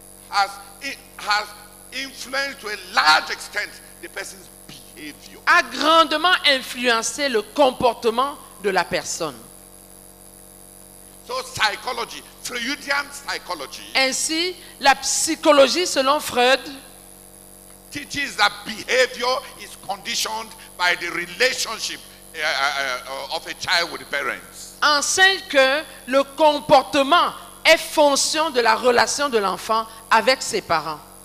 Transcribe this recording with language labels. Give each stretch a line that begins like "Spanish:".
English: has influenced to a large extent the person's behavior.
French: A grandement influencé le comportement de la personne.
English: So psychology, Freudian psychology.
French: Ainsi, la psychologie selon Freud
English: teaches that behavior is conditioned by the relationship of a child with the parents.
French: Enseigne que le comportement est fonction de la relation de l'enfant avec ses parents.